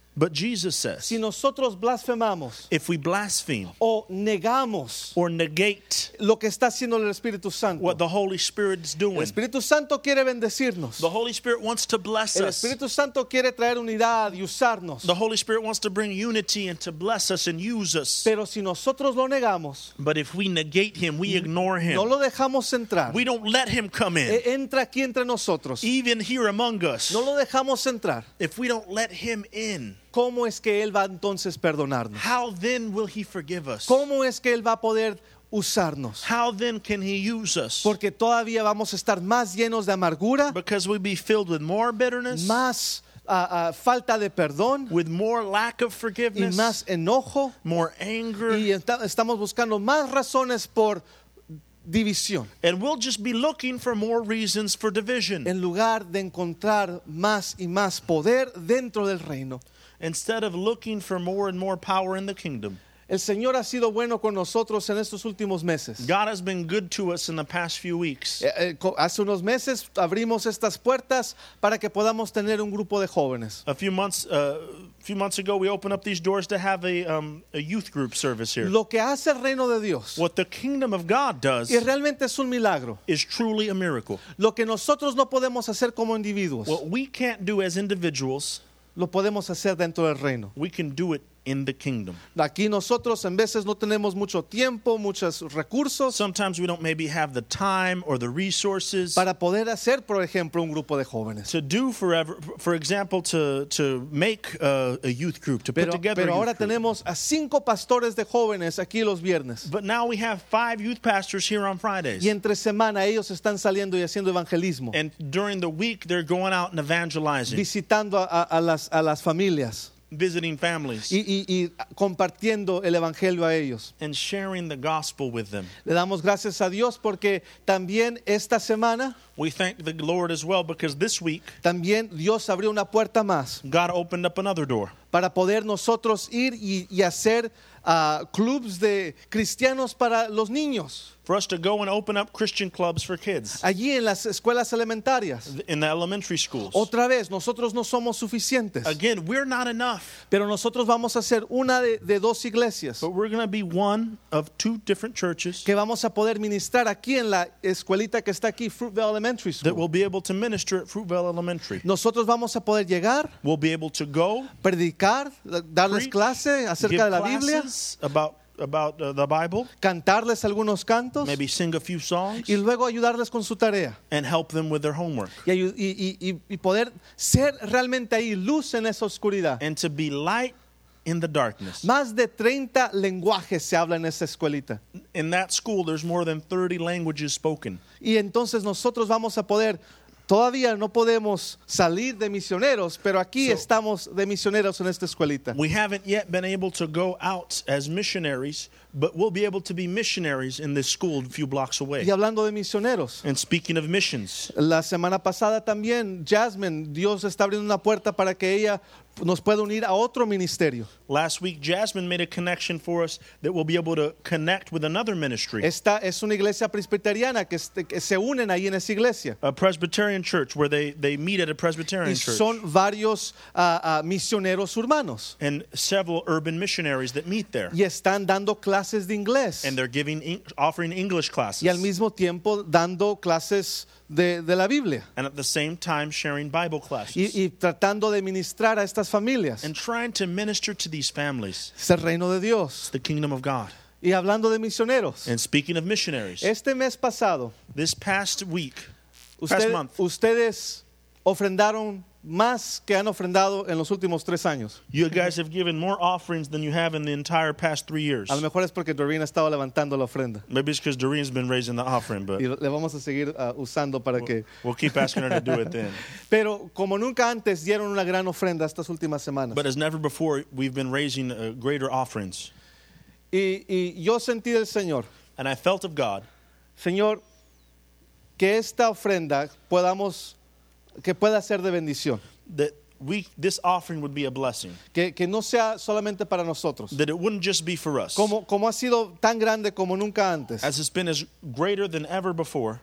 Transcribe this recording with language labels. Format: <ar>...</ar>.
<en>but Jesus says,</en> <es>si nosotros blasfemamos,</es> <en>if we blaspheme</en> <es>o negamos,</es> <en>or negate</en> <es>lo que está haciendo el Espíritu Santo,</es> <en>what the Holy Spirit is doing,</en> <es>el Espíritu Santo quiere bendecirnos,</es> <en>the Holy Spirit wants to bless</en> <es>el Espíritu Santo quiere traer unidad y usarnos,</es> <en>the Holy Spirit wants to bring unity and to bless us and use us.</en> <es>Pero si nosotros lo negamos,</es> <en>but if we negate him, we ignore him,</en> <es>no lo dejamos entrar,</es> <en>we don't let him come in,</en> <es>entra aquí entre nosotros,</es> <en>even here among us,</en> <es>no lo dejamos entrar,</es> <en>if we don't let him in,</en> <es>¿cómo es que él va entonces perdonarnos?</es> <en>How then will he forgive us?</en> <es>¿Cómo es que él va a poder usarnos?</es> <en>How then can he use us?</en> <es>Porque todavía vamos a estar más llenos de amargura.</es> <en>Because we'll be filled with more bitterness.</en> <es>Más falta de perdón.</es> <en>With more lack of forgiveness.</en> <es>Y más enojo.</es> <en>More anger.</en> <es>Y estamos buscando más razones por división.</es> <en>And we'll just be looking for more reasons for division.</en> <es>En lugar de encontrar más y más poder dentro del reino.</es> <en>Instead of looking for more and more power in the kingdom.</en> <es>El Señor ha sido bueno con nosotros en estos últimos meses.</es> <en>God has been good to us in the past few weeks.</en> <es>Hace unos meses abrimos estas puertas para que podamos tener un grupo de jóvenes.</es> <en>A few months ago, we opened up these doors to have a youth group service here.</en> <es>Lo que hace el reino de Dios,</es> <en>what the kingdom of God does,</en> <es>y realmente es un milagro,</es> <en>is truly a miracle.</en> <es>Lo que nosotros no podemos hacer como individuos,</es> <en>what we can't do as individuals,</en> <es>lo podemos hacer dentro del reino.</es> <en>We can do it in the kingdom.</en> <es>Aquí nosotros en veces no tenemos mucho tiempo, muchos recursos.</es> <en>Sometimes we don't maybe have the time or the resources</en> <es>para poder hacer, por ejemplo, un grupo de jóvenes.</es> <en>To do forever, for example, to make a youth group, to</en> <es>pero,</es> <en>put together.</en> <es>Pero ahora</es> <en>a youth</en> <es>tenemos</es> <en>group.</en> <es>A cinco pastores de jóvenes aquí los viernes.</es> <en>But now we have five youth pastors here on Fridays.</en> <es>Y entre semana ellos están saliendo y haciendo evangelismo.</es> <en>And during the week they're going out and evangelizing.</en> <es>Visitando a las familias.</es> <en>Visiting families.</en> <es>Y compartiendo el evangelio a ellos.</es> <en>And sharing the gospel with them.</en> <es>Le damos gracias a Dios porque también esta semana.</es> <en>We thank the Lord as well because this week.</en> <es>También Dios abrió una puerta más.</es> <en>God opened up another door.</en> <es>Para poder nosotros ir y hacer clubs de cristianos para los niños.</es> <en>For us to go and open up Christian clubs for kids.</en> <es>Allí en las escuelas elementarias.</es> <en>In the elementary schools.</en> <es>Otra vez, nosotros no somos suficientes.</es> <en>Again, we're not enough.</en> <es>Pero nosotros vamos a ser una de dos iglesias.</es> <en>But we're going to be one of two different churches.</en> <es>Que vamos a poder ministrar aquí en la escuelita que está aquí, Fruitvale Elementary School.</es> <en>That we'll be able to minister at Fruitvale Elementary.</en> <es>Nosotros vamos a poder llegar.</es> <en>We'll be able to go.</en> <es>Predicar, darles clase acerca de la Biblia.</es> <en>About the Bible,</en> <es>cantarles algunos cantos,</es> <en>maybe sing a few songs,</en> <es>y luego ayudarles con su tarea,</es> <en>and help them with their homework,</en> <es>y poder ser realmente ahí luz en esa oscuridad,</es> <en>and to be light in the darkness.</en> <es>Más de 30 lenguajes se habla en esa escuelita.</es> <en>In that school, there's more than 30 languages spoken.</en> <es>Y entonces nosotros vamos a poder. Todavía no podemos salir de misioneros, pero aquí</es> <en>so,</en> <es>estamos de misioneros en esta escuelita.</es> <en>We haven't yet been able to go out as missionaries, but we'll be able to be missionaries in this school a few blocks away.</en> <es>Y hablando de misioneros.</es> <en>And speaking of missions.</en> <es>La semana pasada también, Jasmine, Dios está abriendo una puerta para que ella nos pueda unir a otro ministerio.</es> <en>Last week, Jasmine made a connection for us that we'll be able to connect with another ministry.</en> <es>Esta es una iglesia presbiteriana que se unen ahí en esa iglesia.</es> <en>A Presbyterian church where they meet at a Presbyterian church.</en> <es>Y son varios misioneros urbanos.</es> <en>And several urban missionaries that meet there.</en> <es>Y están dando clases de inglés.</es> <en>And they're giving offering English classes.</en> <es>Y al mismo tiempo dando clases de la Biblia.</es> <en>And at the same time sharing Bible classes.</en> <es>Y tratando de ministrar a estas familias.</es> <en>And trying to minister to these families.</en> <es>Es el reino de Dios.</es> <en>It's the kingdom of God.</en> <es>Y hablando de misioneros.</es> <en>And speaking of missionaries.</en> <es>Este mes pasado.</es> <en>This past week.</en> <es>Ustedes ofrendaron más que han ofrendado en los últimos tres años.</es> <en>You guys have given more offerings than you have in the entire past 3 years.</en> <es>A lo mejor es porque Doreen ha estado levantando la ofrenda.</es> <en>Maybe it's because Doreen's been raising the offering, but</en> <es>y le vamos a seguir usando para que</es> <en>we'll keep asking her to do it then.</en> <es>Pero como nunca antes dieron una gran ofrenda estas últimas semanas.</es> <en>But as never before, we've been raising greater offerings.</en> <es>Y yo sentí del Señor.</es> <en>And I felt of God.</en> <es>Señor, que esta ofrenda podamos que pueda ser de bendición.</es> <en>That we, this offering would be a blessing.</en> <es>Que no sea solamente para nosotros.</es> <en>That it wouldn't just be for us.</en> <es>Como ha sido tan grande como nunca antes.</es> <en>As it's been as greater than ever before.</en>